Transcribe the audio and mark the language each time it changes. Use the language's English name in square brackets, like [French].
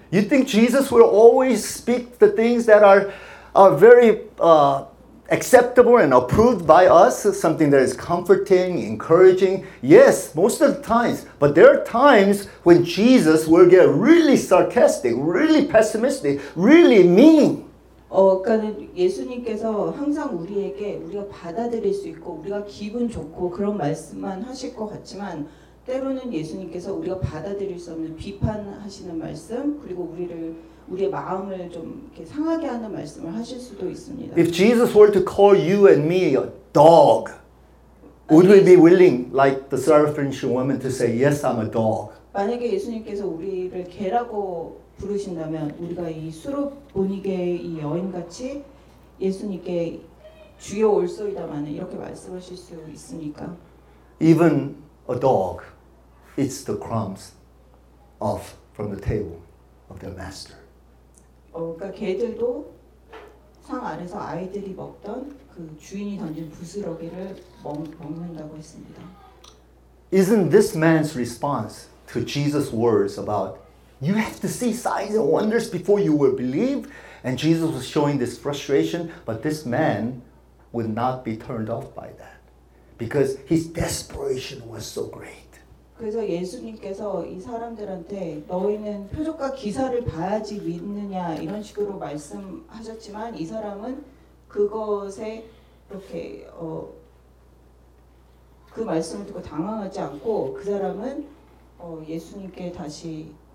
[English] You think Jesus will always speak the things that are very acceptable and approved by us, something that is comforting, encouraging? Yes, most of the times. But there are times when Jesus will get really sarcastic, really pessimistic, really mean. [Korean] 그러니까 예수님께서 항상 우리에게 우리가 받아들일 수 있고 우리가 기분 좋고 그런 말씀만 하실 것 같지만 때로는 예수님께서 우리가 받아들일 수 없는 비판하시는 말씀 그리고 우리의 마음을 좀 이렇게 상하게 하는 말씀을 하실 수도 있습니다. [English] If Jesus were to call you and me a dog, would we be willing like the Syrophoenician woman to say, "Yes, I'm a dog"? [Korean] 만약에 예수님께서 우리를 개라고 부르신다면 우리가 이 수로보니게 이 여인같이 예수님께 주여 올소이다마는 이렇게 말씀하실 수 있습니까? [English] Even a dog eats the crumbs off from the table of their master. [Korean] 그러니까 개들도 상 아래서 아이들이 먹던 그 주인이 던진 부스러기를 먹는다고 했습니다. [English] Isn't this man's response to Jesus' words about you have to see signs and wonders before you will believe? And Jesus was showing this frustration, but this man would not be turned off by that because his desperation was so great. [Korean] 그래서 예수님께서 이 사람들한테 너희는 표적과 기사를 봐야지 믿느냐 이런 식으로 말씀하셨지만 이 사람은 그것에 이렇게 그 말씀을 듣고 당황하지 않고 그 사람은 예수님께 다시